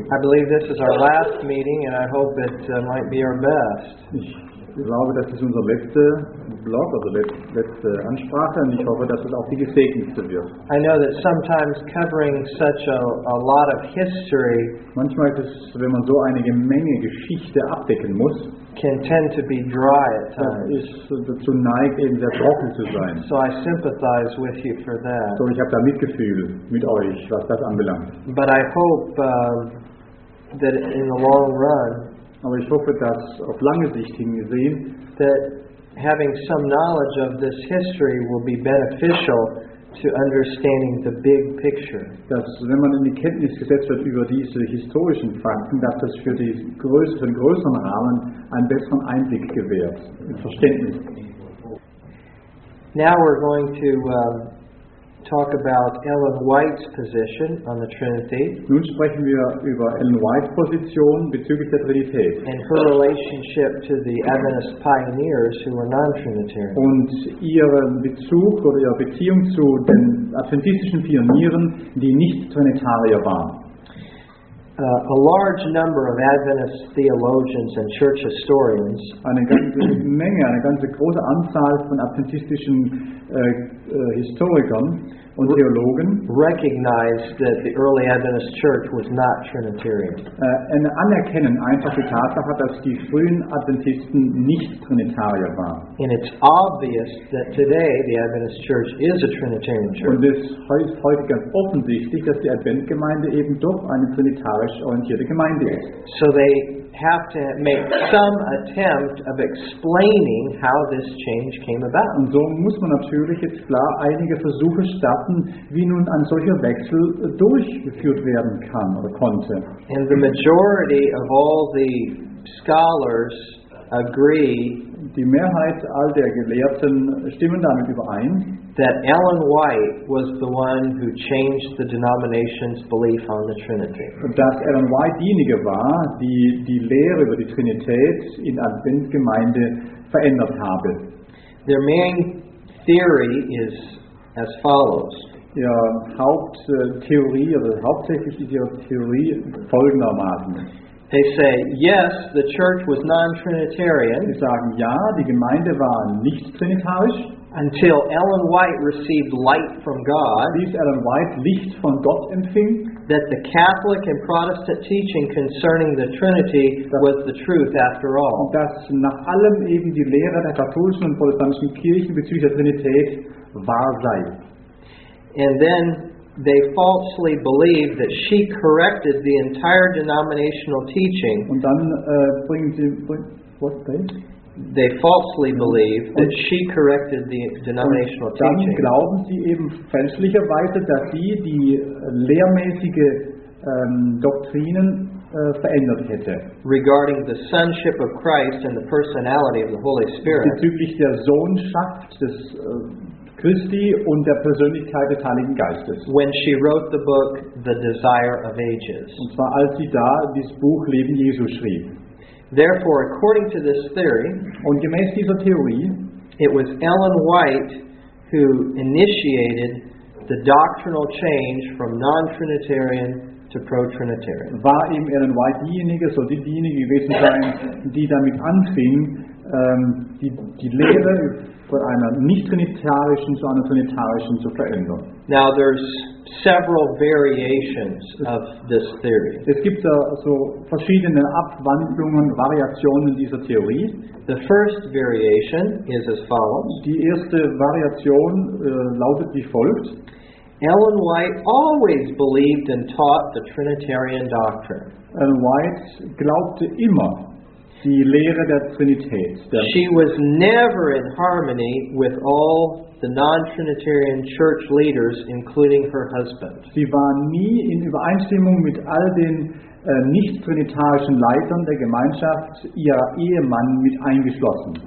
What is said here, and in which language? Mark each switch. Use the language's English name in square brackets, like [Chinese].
[English] I believe this is our last meeting, and I hope it might be our best. [German] Ich glaube, das ist unser letzter Blog, also letzte Ansprache, und ich hoffe, dass es auch die gesegnetste wird. [English] I know that sometimes covering such a lot of history, [German] manchmal ist es, wenn man so eine Menge Geschichte abdecken muss, [English] can tend to be dry at times. [German] Das ist dazu neigt, eben sehr trocken zu sein. [English] So I sympathize with you for that. [German] So, ich habe da Mitgefühl mit euch, was das anbelangt. [English] But I hope that in the long run, [German] aber ich hoffe, dass auf lange Sicht hin gesehen, [English] that having some knowledge of this history will be beneficial to understanding the big picture. [German] Dass wenn man in die Kenntnis gesetzt wird über diese historischen Fakten, dass das für die größeren Rahmen einen besseren Einblick gewährt, ein Verständnis. [English] Now we're going to talk about Ellen White's position on the Trinity. [German] Nun sprechen wir über Ellen White's Position bezüglich der Trinität. [English] And her relationship to the Adventist pioneers who were non-Trinitarian. [German] Und ihren Bezug oder ihre Beziehung zu den adventistischen Pionieren, die nicht Trinitarier waren. [English] A large number of Adventist theologians and church historians, [German] eine ganze große Anzahl von adventistischen Historikern und Theologen, [English] recognized that the early Adventist church was not Trinitarian. [German] Anerkennen einfach die Tatsache, dass die frühen Adventisten nicht Trinitarier waren. [English] And it's obvious that today the Adventist church is a Trinitarian church. [German] Und es ist heute ganz offensichtlich, dass die Adventgemeinde eben doch eine trinitarisch orientierte Gemeinde ist. [English] So they have to make some attempt of explaining how this change came about. [German] Und so muss man natürlich jetzt klar einige Versuche starten, wie nun ein solcher Wechsel durchgeführt werden kann oder konnte. [English] And the majority of all the scholars agree, [German] die Mehrheit all der Gelehrten stimmen damit überein, [English] that Ellen White was the one who changed the denomination's belief on the Trinity. [German] Dass Ellen White diejenige war, die die Lehre über die Trinität in der Adventgemeinde verändert habe. [English] Their main theory is as follows. [German] Ihre Haupttheorie oder hauptsächlich ist ihre Theorie folgendermaßen. [English] They say, yes, the church was non-Trinitarian. [German] Sie sagen, ja, die Gemeinde war nicht trinitarisch. [English] until Ellen White received light from God, [German] bis Ellen White Licht von Gott empfing, [English] that the Catholic and Protestant teaching concerning the Trinity was the truth after all. [German] Und dass nach allem eben die Lehre der katholischen und protestantischen Kirchen bezüglich der Trinität wahr sei. [English] And then they falsely believed that she corrected the entire denominational teaching. [German] Und dann [English] They falsely believe that she corrected the denominational teaching. [German] Und dann glauben sie eben fälschlicherweise, dass sie die lehrmäßige Doktrinen verändert hätte. [English] Regarding the sonship of Christ and the personality of the Holy Spirit. [German] Bezüglich der Sohnschaft des Christi und der Persönlichkeit des Heiligen Geistes. [English] When she wrote the book The Desire of Ages. [German] Und zwar als sie da das Buch Leben Jesu schrieb. [English] Therefore, according to this theory, [German] und gemäß dieser Theorie, [English] it was Ellen White who initiated the doctrinal change from non-Trinitarian to pro-Trinitarian. [German] War eben Ellen White diejenige, so diejenige gewesen sein, die damit anfing, die Lehre von einer nicht-trinitarischen zu einer trinitarischen zu verändern. [English] Now there's several variations of this theory. [German] Es gibt also verschiedene Abwandlungen, Variationen dieser Theorie. [English] The first variation is as follows. [German] Die erste Variation lautet wie folgt. [English] Ellen White always believed and taught the Trinitarian doctrine. [German] Ellen White glaubte immer die Lehre der Trinität. [English] She was never in harmony with all the non-Trinitarian church leaders, including her husband. [German] Sie war nie in Übereinstimmung mit all den nicht-trinitarischen Leitern der Gemeinschaft, ihr Ehemann mit eingeschlossen.